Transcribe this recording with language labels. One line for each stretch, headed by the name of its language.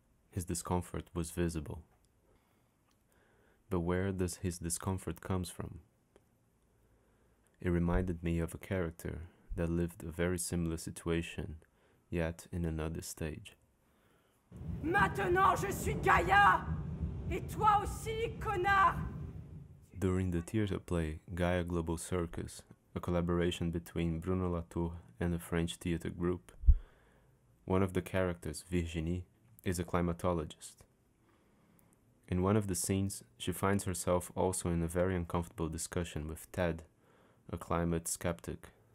English: His discomfort was visible. But where does his discomfort come from? It reminded me of a character that lived a very similar situation, yet in another stage.
French: Maintenant je suis Gaïa, et toi aussi, connard!
English: During the theater play Gaia Global Circus, a collaboration between Bruno Latour and a French theater group, one of the characters, Virginie, is a climatologist. In one of the scenes, she finds herself also in a very uncomfortable discussion with Ted, a climate skeptic.